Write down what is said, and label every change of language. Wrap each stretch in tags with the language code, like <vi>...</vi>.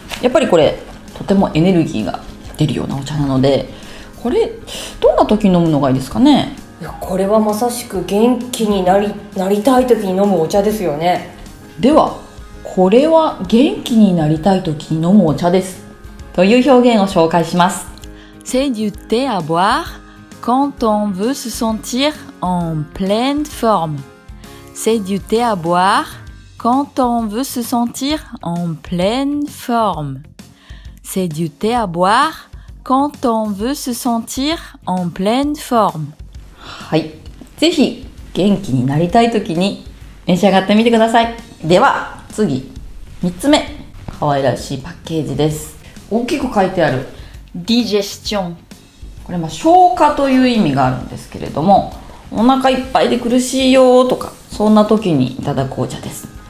<ja>やっぱりこれとてもエネルギーが出るようなお茶なので、これどんな時に飲むのがいいですかね。いや、これはまさしく元気になりたい時に飲むお茶ですよね。ではこれは元気になりたい時に飲むお茶ですという表現を紹介します。</ja> <fr>C'est du thé à boireQuand on veut se sentir en pleine forme, c'est du thé à boire. Quand on veut se sentir en pleine forme, c'est du thé à boire. Quand on veut se sentir en pleine forme.</fr> <ja>はい、ぜひ元気になりたい時に召し上がってみてください。では次、三つ目、可愛らしいパッケージです。大きく書いてある。</ja> <fr>Digestion.</fr> <ja>これは消化という意味があるんですけれども、お腹いっぱいで苦しいよとか、そんな時にいただくお茶です。</ja>